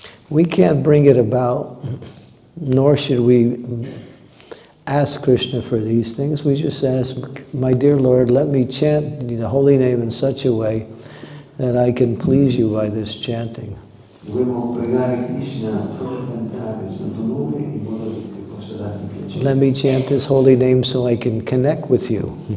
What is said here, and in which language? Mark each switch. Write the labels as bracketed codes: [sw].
[en] We can't bring it about, nor should we ask Krishna for these things. We just ask, my dear Lord, let me chant the holy name in such a way that I can please you by this chanting. [it] Dovremmo pregare Krishna per cantare il Santo Nome in modo [en] Let me chant this holy name so I can connect with you.